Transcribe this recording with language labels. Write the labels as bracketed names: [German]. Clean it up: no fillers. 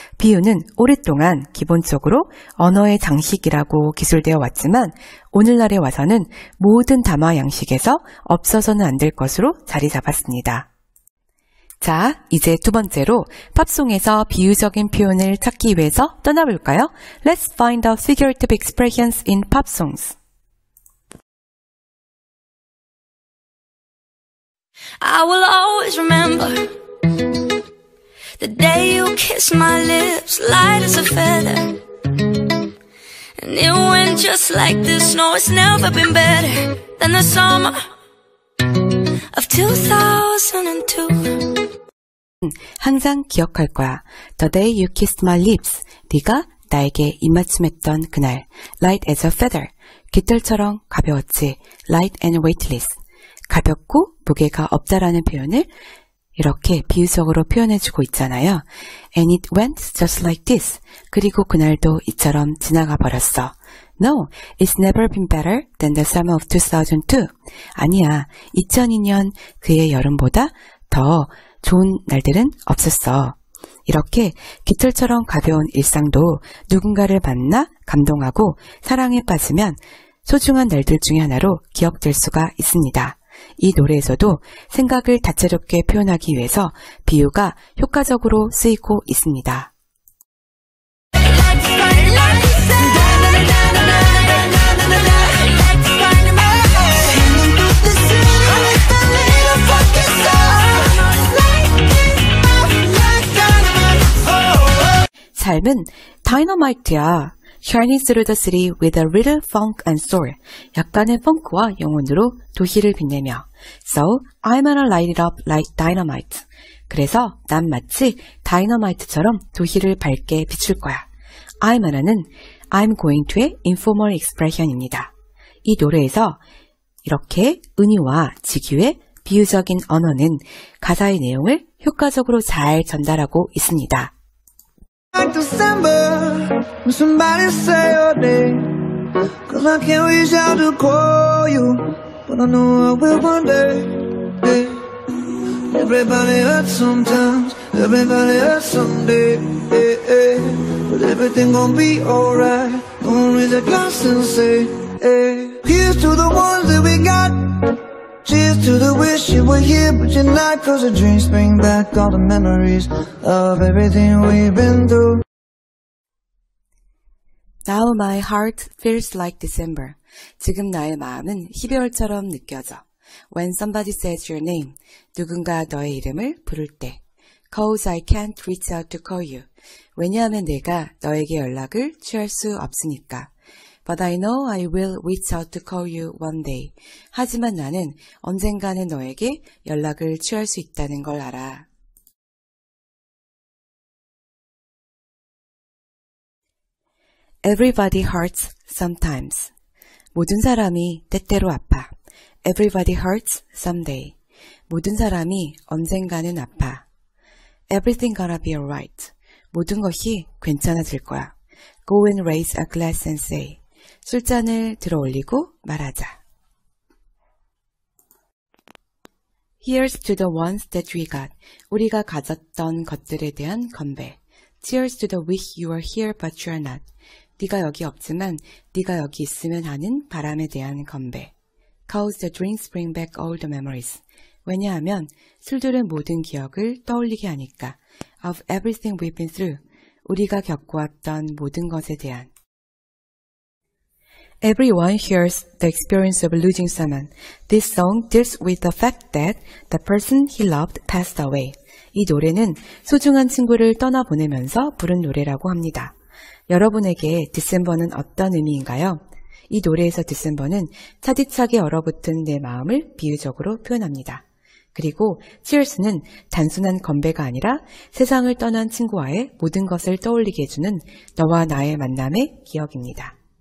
[Korean] 비유는 오랫동안 기본적으로 언어의 장식이라고 기술되어 왔지만 오늘날에 와서는 모든 담화 양식에서 없어서는 안 될 것으로 자리 잡았습니다. 자, 이제 두 번째로 팝송에서 비유적인 표현을 찾기 위해서 떠나볼까요? [English] Let's find the figurative expressions in pop songs. I will always remember the day you kissed my lips light as a feather. And it went just like this. No, it's never been better than the summer of 2002. [Korean] 항상 기억할 거야. [English] The day you kissed my lips. [Korean] 네가 나에게 입맞춤했던 그날. [English] Light as a feather. [Korean] 깃털처럼 가벼웠지. [English] Light and weightless. [Korean] 가볍고 무게가 없다라는 표현을 이렇게 비유적으로 표현해주고 있잖아요. [English] And it went just like this. [Korean] 그리고 그날도 이처럼 지나가 버렸어. [English] No, it's never been better than the summer of 2002. [Korean] 아니야, 2002년 그의 여름보다 더 좋은 날들은 없었어. 이렇게 깃털처럼 가벼운 일상도 누군가를 만나 감동하고 사랑에 빠지면 소중한 날들 중에 하나로 기억될 수가 있습니다. 이 노래에서도 생각을 다채롭게 표현하기 위해서 비유가 효과적으로 쓰이고 있습니다. 삶은 다이너마이트야. [English] Shining through the city with a little funk and soul. [Korean] 약간의 펑크와 영혼으로 도시를 빛내며. [English] So, I'm gonna light it up like dynamite. [Korean] 그래서 난 마치 다이너마이트처럼 도시를 밝게 비출 거야. [English] I'm gonna는 I'm going to의 informal expression입니다. [Korean] 이 노래에서 이렇게 은유와 직유의 비유적인 언어는 가사의 내용을 효과적으로 잘 전달하고 있습니다. [English] Like December, when somebody say your name, 'cause I can't reach out to call you, but I know I will one day. Hey. Everybody hurts sometimes, everybody hurts someday. Hey, hey. But everything gon' be alright. Gonna raise a glass and say, hey. Here's to the ones that we got. Cheers to the wish you were here but you're not, 'cause the dreams bring back all the memories of everything we've been through. Now my heart feels like December. [Korean] 지금 나의 마음은 12월처럼 느껴져. [English] When somebody says your name. [Korean] 누군가 너의 이름을 부를 때. [English] 'Cause I can't reach out to call you. [Korean] 왜냐하면 내가 너에게 연락을 취할 수 없으니까. [English] But I know I will reach out to call you one day. [Korean] 하지만 나는 언젠가는 너에게 연락을 취할 수 있다는 걸 알아. [English] 'Everybody hurts sometimes. [Korean] 모든 사람이 때때로 아파. [English] Everybody hurts someday. [Korean] 모든 사람이 언젠가는 아파. [English] Everything gonna be alright. [Korean] 모든 것이 괜찮아질 거야. [English] Go and raise a glass and say. [Korean] 술잔을 들어 올리고 말하자. [English] Here's to the ones that we got. [Korean] 우리가 가졌던 것들에 대한 건배. [English] Cheers to the wish you are here but you are not. [Korean] 네가 여기 없지만 네가 여기 있으면 하는 바람에 대한 건배. [English] Cause the drinks bring back all the memories. [Korean] 왜냐하면 술들은 모든 기억을 떠올리게 하니까. [English] Of everything we've been through. [Korean] 우리가 겪어왔던 모든 것에 대한. [English] Everyone hears the experience of losing someone. This song deals with the fact that the person he loved passed away. [Korean] 이 노래는 소중한 친구를 떠나보내면서 부른 노래라고 합니다. 여러분에게 December는 어떤 의미인가요? 이 노래에서 December는 차디차게 얼어붙은 내 마음을 비유적으로 표현합니다. 그리고 Cheers는 단순한 건배가 아니라 세상을 떠난 친구와의 모든 것을 떠올리게 해주는 너와 나의 만남의 기억입니다.